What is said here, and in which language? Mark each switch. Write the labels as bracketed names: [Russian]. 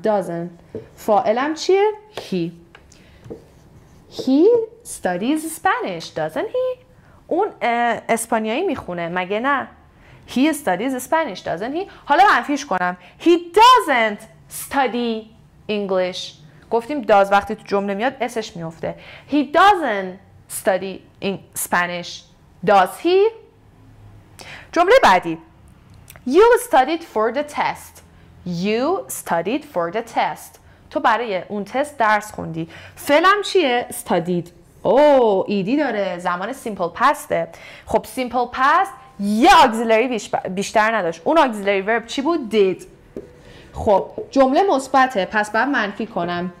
[English] doesn't. [Persian] فاعلم چیه؟ [English] he. he studies Spanish, doesn't he؟ [Persian] اون اسپانیایی میخونه مگه نه؟ [English] he studies Spanish, doesn't he؟ [Persian] حالا منفیش کنم، [English] he doesn't study English. [Persian] گفتیم [English] does [Persian] وقتی تو جمله میاد اسش میفته. [English] he doesn't study in Spanish, does he؟ [Persian] جمله بعدی، [English] you studied for the test. You studied for the test. [Persian] تو برای اون تست درس خوندی. فعلم چیه؟ [English] studied. [Persian] ایدی داره، زمان سیمپل پسته. خب سیمپل پست یه اگزیلری بیشتر نداشت. اون اگزیلری ورب چی بود؟ [English] did. [Persian] خب جمله مثبته، پس باید منفی کنم.